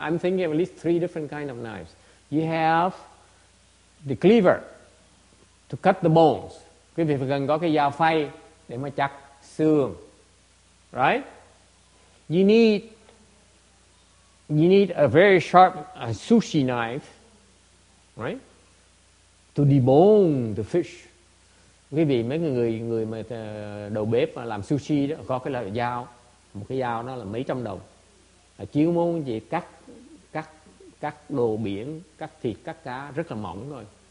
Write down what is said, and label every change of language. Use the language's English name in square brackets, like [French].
[English] I'm thinking of at least three different kinds of knives. You have the cleaver to cut the bones. [Vietnamese] Quý vị cần có cái dao phay để mà chặt xương. [English] Right? You need a very sharp sushi knife, right? To debone the fish. [Vietnamese] Quý vị mấy người mà đầu bếp mà làm sushi đó có cái loại dao, một cái dao nó là mấy trăm đồng. Chỉ muốn gì cắt đồ biển, cắt thịt, cắt cá rất là mỏng thôi.